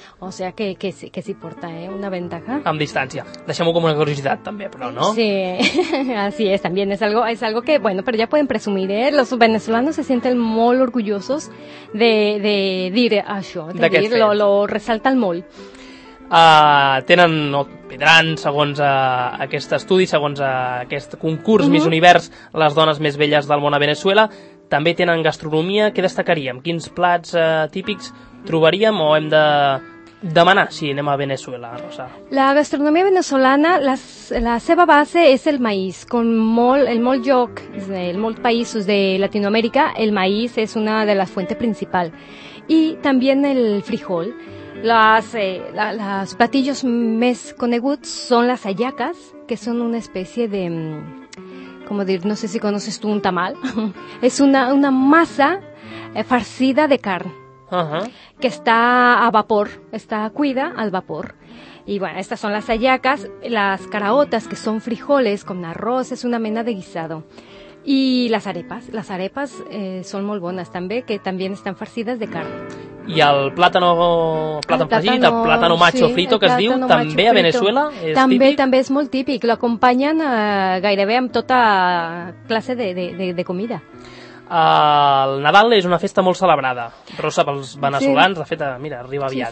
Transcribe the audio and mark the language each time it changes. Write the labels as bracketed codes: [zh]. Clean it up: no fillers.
[es] O sea que sí porta una ventaja. [ca] Amb distància. Deixem-ho com una curiositat també, però no? [es] Sí, así es, también es algo que, bueno, pero ya pueden presumir, los venezolanos se sienten [ca] molt orgullosos de dir [es] això, de dir, lo resaltan molt. [ca] Tenen, o tindran, segons aquest estudi, segons aquest concurs Miss Univers, les dones més belles del món a Venezuela, també tenen gastronomia. Què destacaríem? Quins plats típics trobaríem o hem de demanar si anem a Venezuela, Rosa? La gastronomia venezolana, la seva base és el maïs. En molts països de Latinoamèrica, el maïs és una de les fuentes principals. I també el frijol. [es] Los platillos más coneguts son las hallacas, que son una especie de, como decir, no sé si conoces tú un tamal, es una masa farcida de carne, que está a vapor, está cuida al vapor. Y bueno, estas son las hallacas, las caraotas, que son frijoles con arroz, es una mena de guisado. Y las arepas son muy buenas también, que también están farcidas de carne. [ca] I el plàtano macho frito, que es diu, també a Venezuela és típic? També és molt típic, l'acompanyen gairebé amb tota classe de comida. El Nadal és una festa molt celebrada, Rosa, pels venezolans, sí. De fet, mira, arriba aviat.